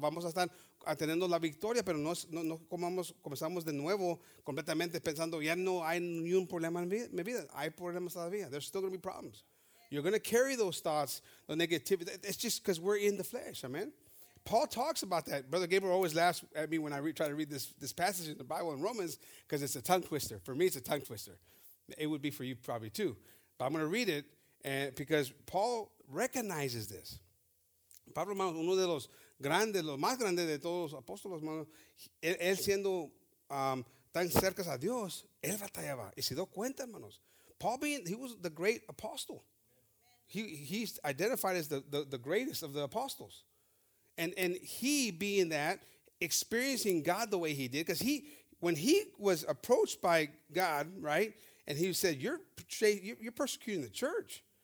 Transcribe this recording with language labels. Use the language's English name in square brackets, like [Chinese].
[Spanish] Vamos a estar teniendo la victoria, pero no comenzamos de nuevo completamente pensando, ya no hay ni un problema en mi vida. Hay problemas todavía. [English] There's still going to be problems. You're going to carry those thoughts, the negativity. It's just because we're in the flesh, amen? Paul talks about that. Brother Gabriel always laughs at me when I try to read this passage in the Bible in Romans because it's a tongue twister. For me, it's a tongue twister. It would be for you probably too. But I'm going to read it because Paul recognizes this. [Spanish] Pablo, hermanos, uno de los grandes, los más grandes de todos los apóstoles, hermanos, él siendo tan cerca a Dios, él batallaba. Y se dio cuenta, hermanos. [English] Paul, he was the great apostle. He's identified as the greatest of the apostles. And he being that, experiencing God the way he did, because when he was approached by God, right, and he said, you're persecuting the church.